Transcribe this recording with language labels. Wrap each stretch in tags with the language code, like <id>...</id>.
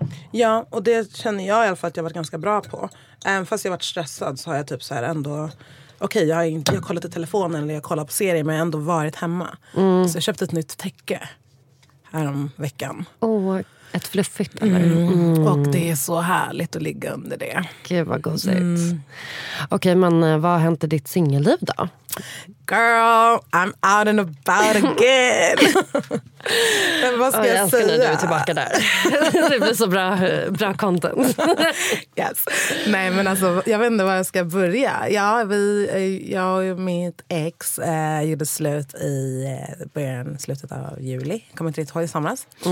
<sv>Ja, och det känner jag i alla fall att jag har varit ganska bra på. Även fast jag har varit stressad så har jag typ så här ändå, okej, jag har kollat i telefonen eller jag har kollat på serier, men jag ändå varit hemma. Mm. Så jag köpte ett nytt täcke härom veckan. Åh, ett fluffigt. Och det är så härligt att ligga under det. Gud vad gosigt. Mm. Okej, men vad har hänt i ditt singelliv då?</sv> <en>Girl, I'm out and about again.</en> <sv>Men vad ska jag säga? Jag älskar när du är tillbaka där. Det blir så bra content. Yes. Nej, men alltså, jag vet inte var jag ska börja. Ja, jag och mitt ex gjorde slut i slutet av juli. Kommer inte riktigt ihåg i somras.</sv>